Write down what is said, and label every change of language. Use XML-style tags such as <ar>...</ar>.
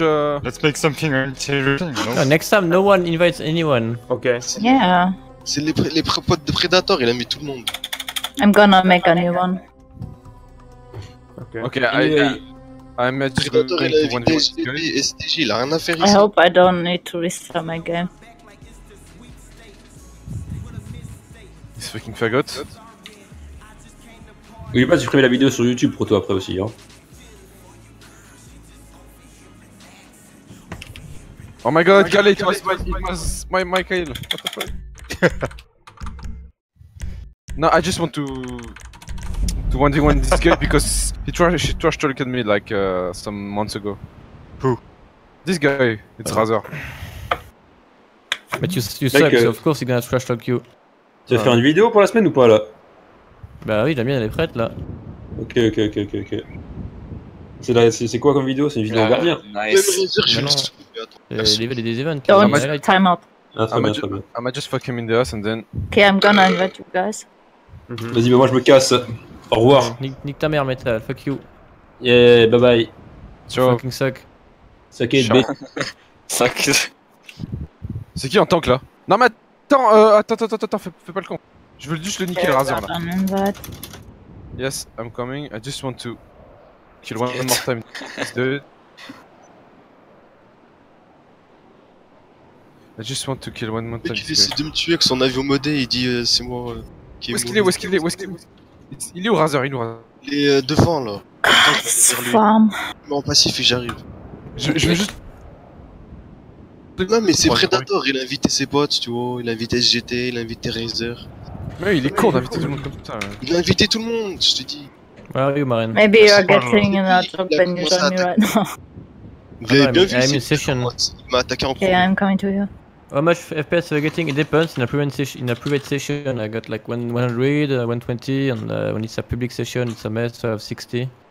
<en>Let's make something interesting. No, next time, no one invites anyone. Okay. Yeah.</en> <fr>C'est les potes de Predator, il a mis tout le monde.</fr> <en>I'm gonna make a new one. Okay. I'm a</en> <fr>Predator, il a invité SDG, il a rien à faire ici.</fr> <en>I hope I don't need to restart my game. This fucking faggot.</en> <fr>N'oublie pas de supprimer la vidéo sur YouTube pour toi après aussi, hein.</fr> <en>Oh my god, Khalid, it was my kill. What the fuck? No, I just want to 1v1 this guy because he trash talked me like some months ago. Who? This guy, it's Razor. But you suck, so of course he's gonna trash talk you.</en> <fr>Tu vas faire une vidéo pour la semaine ou pas là? Bah oui, la mienne elle est prête là. Ok. C'est quoi comme vidéo? C'est une vidéo en gardien.</fr> <en>Nice. Level des events. Don't time out. I'ma just fuck him in the ass and then... Okay, I'm gonna invite you guys.</en> <fr>Mm-hmm. Vas-y, bah moi je me casse. Au revoir. Nique ta mère, Metal,</fr> <en>fuck you. Yeah, bye bye. Ciao. Fucking suck. Suck it, Suck it.</en> <fr>C'est qui en tank là? Non mais attends, attends, fais pas le con. Je veux juste le niquer le Razor là.</fr> <en>Yes, I'm coming, I just want to... Kill one more time. I just want to kill one more time.</en> <fr>Il décide de me tuer avec son avion modé, il dit c'est moi qui est mort. Où est-ce qu'il est? Il est où Razor? Il est devant là. Farm. Il est en passif et j'arrive. Je veux juste... Non mais c'est Predator, il a invité ses potes, tu vois, il a invité SGT, il a invité Razer. Mais il est court d'inviter tout le monde comme ça. Il a invité tout le monde, je te dis.</fr> <en>Where are you, Marine? Maybe you're getting an attack when you join me right now.</en> <fr>Vous avez bien vu,</fr> <en>I'm in session.</en> <fr>Il m'a attaqué en</fr> <en>premier. Okay, I'm coming to you. How much FPS are you getting? It depends. In a private session, I got like 100, 120, and when it's a public session, it's a mess, so I have 60.</en>